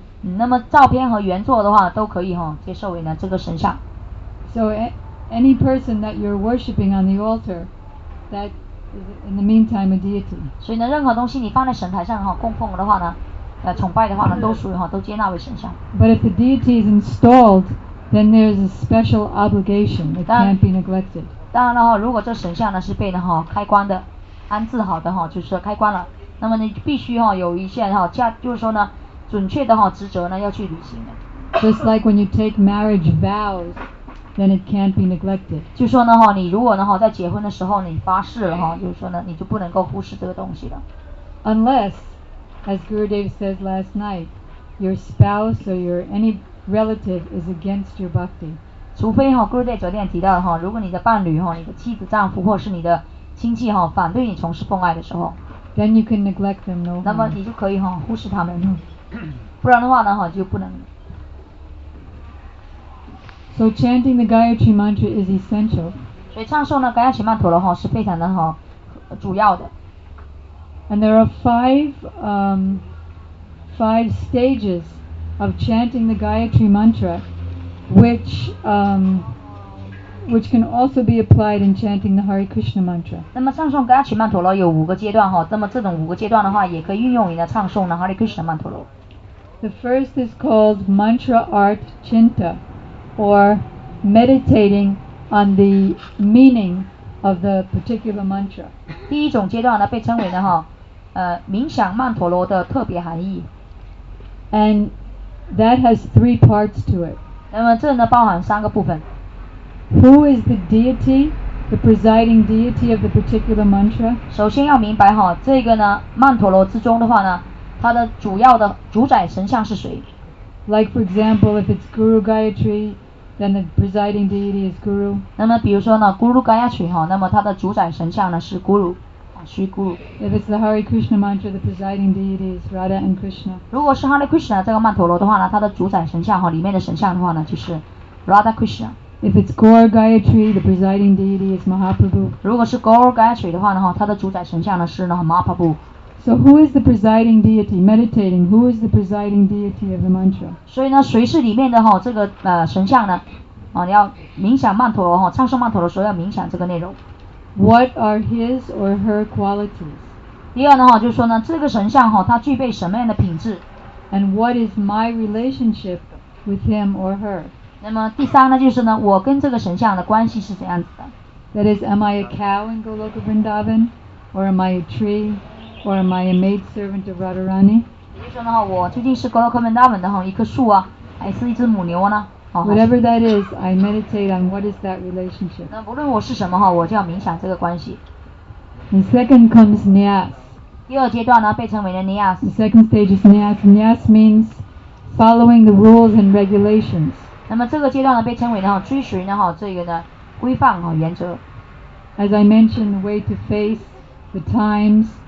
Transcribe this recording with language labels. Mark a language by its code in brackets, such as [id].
[zh] 嗯、那么照片和原作的话都可以、哦、接受为呢这个神像。 [en] So any person that you're worshipping on the altar, that is in the meantime a deity. [zh] 所以呢任何东西你放在神台上、哦、供奉的话呢、崇拜的话呢都属于、哦、都接纳为神像。 [en] But if the deity is installed, then there's a special obligation that can't be neglected. [zh] 当然了、哦、如果这神像呢是被呢、哦、开关的安置好的、哦、就是开关了。那么你必须哈有一些哈加，就是说呢，准确的哈职责呢要去履行的。 [en] Just like when you take marriage vows, then it can't be neglected. [zh] 就说呢哈，你如果呢哈在结婚的时候你发誓了哈，就是说呢你就不能够忽视这个东西了。 [en] Unless, as Gurudev said last night, your spouse or your any relative is against your bhakti. [zh] 除非哈 ，Gurudev 昨天提到哈，如果你的伴侣哈，你的妻子、丈夫或是你的亲戚哈反对你从事奉爱的时候 [en] ，then you can neglect them no。 [zh] 那么你就可以哈忽视他们，不然的话呢哈就不能。 [en] So chanting the Gayatri Mantra is essential。 [zh] 所以唱诵呢 Gayatri Mantra 的哈是非常的哈主要的。 [en] And there are five stages of chanting the Gayatri Mantra, which can also be applied in chanting the Hare Krishna Mantra. [zh] 那么唱诵 Gayatri Mantra 咯有五个阶段哈，那么这种五个阶段的话也可以运用于呢唱诵呢 Hare Krishna Mantra 咯。 [en] The first is called Mantra Art Chinta, or meditating on the meaning of the particular mantra. [zh] 第一种阶段呢被称为呢哈，冥想曼陀罗的特别含义。 [en] And that has three parts to it. [zh] 那么这呢包含三个部分。 [en] Who is the deity, the presiding deity of the particular mantra? [zh] 首先要明白哈，这个呢曼陀罗之中的话呢，它的主要的主宰神像是谁 [en] ？Like for example, if it's Guru Gayatri, then the presiding deity is Guru. [zh] 那么比如说呢 ，Guru Gayatri 哈，那么它的主宰神像呢是 Guru， 虚 Guru。 [en] If it's the Hare Krishna mantra, the presiding deity is Radha and Krishna. [zh] 如果是 Hare Krishna 这个曼陀罗的话呢，它的主宰神像哈里面的神像的话呢就是 Radha Krishna。 [en] If it's Gaur Gayatri, the presiding deity is Mahaprabhu. [zh] 如果是 Gaur Gayatri 的话呢哈，它的主宰神像呢是呢 Mahaprabhu。 [en] So who is the presiding deity meditating? Who is the presiding deity of the mantra? [zh] 所以呢，谁是里面的哈这个神像呢？啊，你要冥想曼陀罗哈，唱诵曼陀罗的时候要冥想这个内容。 [en] What are his or her qualities? [zh] 第二呢哈，就是说呢，这个神像哈，它具备什么样的品质 [en] ？And what is my relationship with him or her? [zh] 那么第三呢，就是呢，我跟这个神像的关系是怎样子的 [en] ？That is, am I a cow in Goloka Vrindavan, or am I a tree? Or am I a maid servant of Radharani? [zh] 比如说呢，我究竟是 Goloka Vrindavan 的一棵树啊，还是一只母牛呢？ [en] Whatever that is, I meditate on what is that relationship. [zh] 那不论我是什么我就要冥想这个关系。 [en] And second comes Nyas. [zh] 第二阶段呢，被称为了 Nyas. [en] The second stage is Nyas. Nyas means following the rules and regulations. [zh] 那么这个阶段呢，被称为呢追寻呢这个呢规范原则。 [en] As I mentioned, the way to face the times.